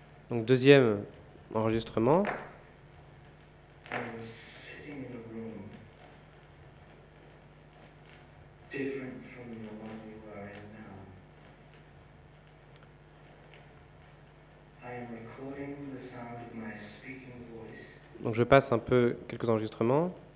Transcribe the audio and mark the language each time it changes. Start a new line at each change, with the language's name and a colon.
French: Donc, deuxième enregistrement.
English: I was sitting in a room different from the one you are in now. I am recording the sound of my speaking voice.
French: Donc, je passe un peu quelques enregistrements.